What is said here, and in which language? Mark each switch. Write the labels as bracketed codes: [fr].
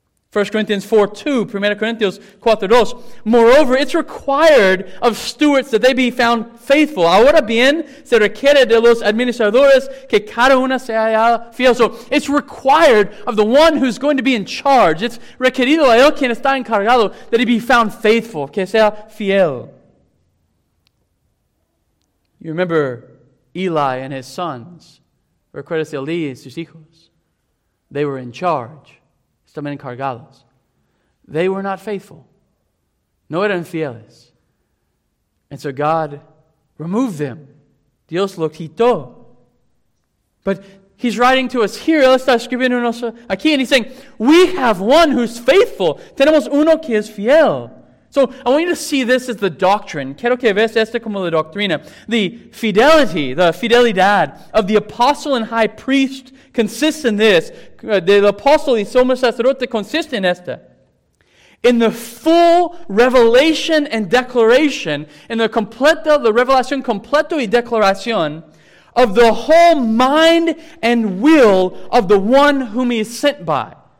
[en] 1 Corinthians 4:2, 1 Corinthians 4:2. Moreover, it's required of stewards that they be found faithful. [es] Ahora bien, se requiere de los administradores que cada uno sea fiel. [en] So, it's required of the one who's going to be in charge. [es] It's requerido a él quien está encargado [en] that he be found faithful, [es] que sea fiel. [en] You remember Eli and his sons. [es] Recuerdas Eli y sus hijos. [en] They were in charge. [es] Estaban encargados. [en] They were not faithful. [es] No eran fieles. [en] And so God removed them. [es] Dios lo quitó. [en] But he's writing to us here. [es] Él está escribiéndonos aquí. [en] And he's saying, we have one who's faithful. [es] Tenemos uno que es fiel. [en] So I want you to see this as the doctrine. [es] Quiero que veas esto como la doctrina. [en] The fidelidad of the apostle and high priest consists in this. [es] El apóstol y sumo sacerdote consiste en esto. [en] In the full revelation and declaration, in the completo, [es] the revelación completo y declaración [en] of the whole mind and will of the one whom he is sent by.